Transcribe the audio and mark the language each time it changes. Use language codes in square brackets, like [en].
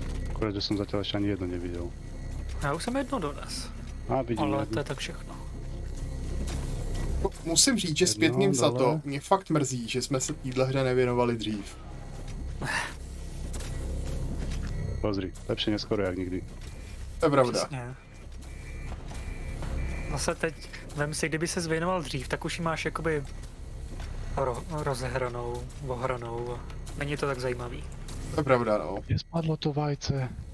[cs] Akorát, že jsem zatím ještě ani jedno neviděl. Já už jsem jedno dones. A vidím. Ale to je tak všechno. Musím říct, že zpětným za to mě fakt mrzí, že jsme se týhle hře nevěnovali dřív. [sk] Pozri, lepší neskoro jak nikdy. [cs] To je pravda. Zase teď, vem si, kdyby ses věnoval dřív, tak už ji máš jakoby rozehranou, ohranou. Není to tak zajímavý. To je pravda, no. [sk] Je spadlo to vajce.